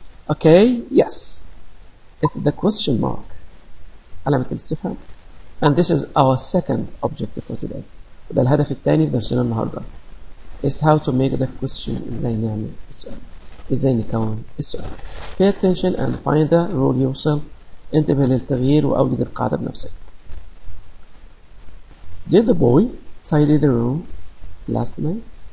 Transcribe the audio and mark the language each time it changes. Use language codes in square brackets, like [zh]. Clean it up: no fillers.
[en] Okay, yes. It's the question mark. [ar] علامة الاستفهام. [en] And this is our second objective for today. [ar] ده الهدف الثاني في درسنا النهارده. [en] It's how to make the question. [ar] ازاي نعمل السؤال. ازاي نكون السؤال. [en] Pay attention and find the rule yourself. [ar] انتبه للتغيير واوجد القاعدة بنفسك. [en] Did the boy tidy the room last night?